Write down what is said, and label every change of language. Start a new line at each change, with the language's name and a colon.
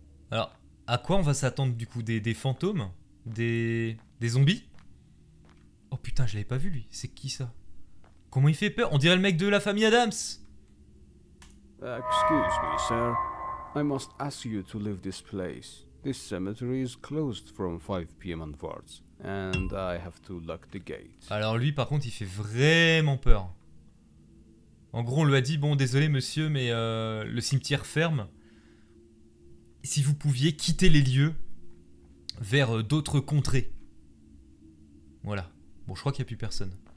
French: Alors, à quoi on va s'attendre du coup ? Des fantômes ? Des zombies ? Oh putain, je l'avais pas vu lui. C'est qui ça ? Comment il fait peur? On dirait le mec de la famille Adams.
English: Excuse me, sir. I must ask you to leave this place. This cemetery is closed from 5 PM onwards, and I have to lock the gate.
French: Alors lui, par contre, il fait vraiment peur. En gros, on lui a dit, bon, désolé, monsieur, mais le cimetière ferme. Si vous pouviez quitter les lieux vers d'autres contrées. Voilà. Bon, je crois qu'il n'y a plus personne.